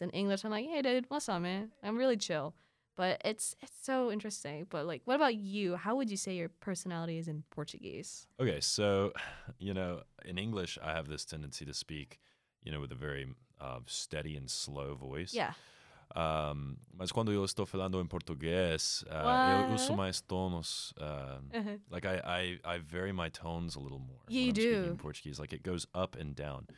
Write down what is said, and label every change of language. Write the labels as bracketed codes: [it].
[en] In English, I'm like, hey, dude, what's up, man? I'm really chill. But it's so interesting. But, like, what about you? How would you say your personality is in Portuguese? Okay. So, you know, in English, I have this tendency to speak, you know, with a very steady and slow voice. Yeah. [pt] Mas quando eu estou falando em português, eu uso mais tonos. [en] Like I vary my tones a little more. Yeah, when you I'm do. Speaking in Portuguese, like it goes up and down.